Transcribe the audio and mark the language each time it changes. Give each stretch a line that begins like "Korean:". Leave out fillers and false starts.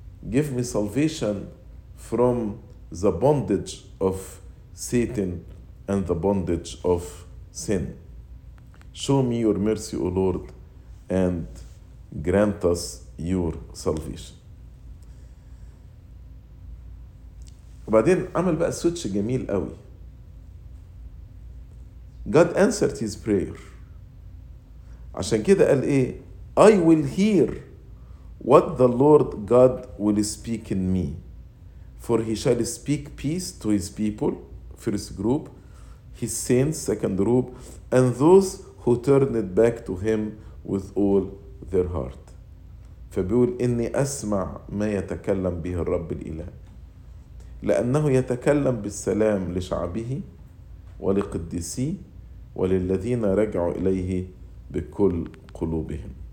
English: Give me salvation from the bondage of Satan and the bondage of sin. Show me your mercy, O Lord, and grant us your salvation.
Arabic: وبعدين عمل بقى سويتش جميل قوي.
English: God answered his prayer.
Arabic: عشان كده قال ايه؟
English: I will hear what the Lord God will speak in me. For he shall speak peace to his people, first group, his saints, second group, and those who turn it back to him with all their heart.
Arabic: فبيقول إني أسمع ما يتكلم به الرب الإله، لأنه يتكلم بالسلام لشعبه ولقدسي وللذين رجعوا إليه بكل قلوبهم.